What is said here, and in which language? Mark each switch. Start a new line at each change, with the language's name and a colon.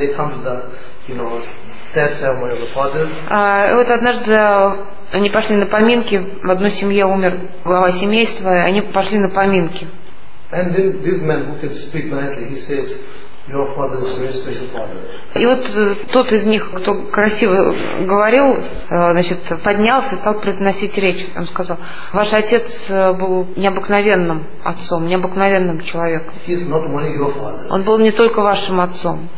English: They come to the, you know, sad ceremony of the father.
Russian: Вот однажды они пошли на поминки. В одной семье умер глава семейства, и они пошли на поминки.
English: And then this man who can speak nicely, he says. Your father is a very special father.
Russian: И вот тот из них, кто красиво говорил, значит, поднялся и стал произносить речь. Он сказал, ваш отец был необыкновенным отцом, необыкновенным человеком.
English: He is not only your father.
Russian: Он был не только вашим отцом.